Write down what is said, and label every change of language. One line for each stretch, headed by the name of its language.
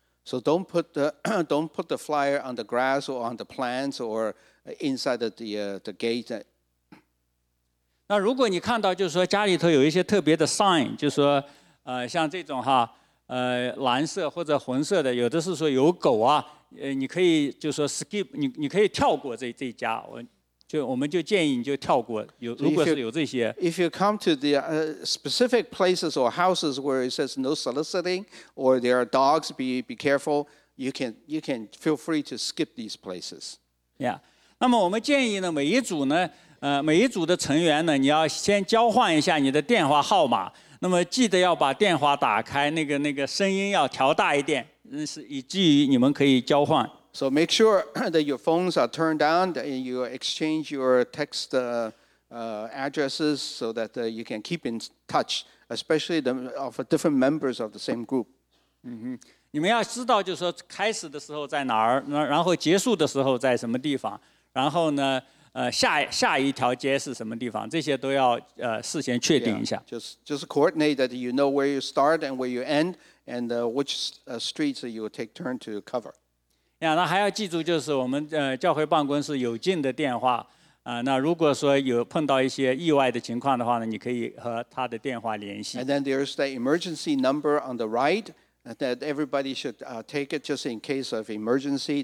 English: So don't put the flyer on the grass or on the plants or inside the gate.
Chinese: 那如果你看到就是说家里头有一些特别的 sign， 就是说像这种哈蓝色或者红色的，有的是说有狗啊，你可以就说 skip， 你可以跳过这家。我们就建议你就跳过，如果是有这些。
English: If you come to the specific places or houses where it says no soliciting or there are dogs, be careful. You can feel free to skip these places. Yeah.
Chinese: 那么我们建议呢，每一组呢，每一组的成员呢，你要先交换一下你的电话号码。那么记得要把电话打开，那个声音要调大一点，是以至于你们可以交换。
English: So make sure that your phones are turned on and you exchange your text addresses so that you can keep in touch, especially the of different members of the same group.
Chinese: 你们要知道就是说开始的时候在哪儿，然后结束的时候在什么地方，然后呢下一条街是什么地方，这些都要事先确定一下。
English: Yeah, just coordinate that you know where you start and where you end and which streets you will take turn to cover.
Chinese: Yeah, 那还要记住就是我们教会办公室有进的电话那如果说有碰到一些意外的情况的话呢，你可以和他的电话联系。
English: And then there's the emergency number on the right that everybody should take it just in case of emergency.